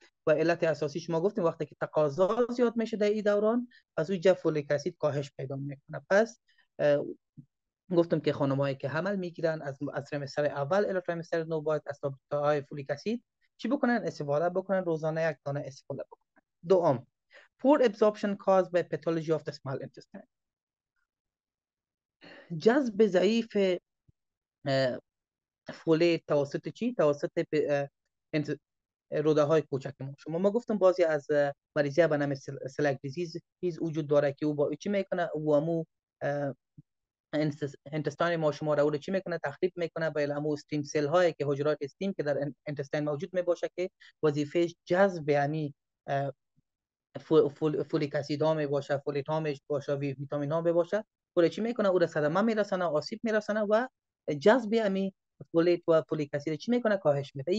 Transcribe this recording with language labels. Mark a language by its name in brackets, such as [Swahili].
[Persian] و علت اساسی شما گفتیم وقتی که تقاضا زیاد میشه در این دوران، از اونجا فولیک اسید کاهش پیدا میکنه. پس گفتم که خانم هایی که حمل میگیرن از ترمستر اول الی ترمستر نو باید از های فولیک اسید چی بکنن؟ استفاده بکنن، روزانه یک دانه استفاده بکنن. [English] دوم، poor absorption caused by pathology of the small intestine. [Persian] جذب ضعیف فولیت توسط چی؟ توسط روده های کوچک ما. شما ما گفتم بعضی از مریضی به نام سلک دیزیز هیز وجود داره که او با چی میکنه؟ او امو انتستان ما شما را چی میکنه؟ تخریب میکنه با امو استیم سل هایی که حجرات استیم که در انتستان موجود میباشه که وظیفه جذب یعنی فولیک اسید ها میباشه، فولیت ها میباشه، ویتامین ها میباشه، او چی میکنه؟ او را صدمه میرسنه، آسیب میرسنه و جذب یعنی فولیت و فولیک اسید چی میکنه؟ کاهش میده.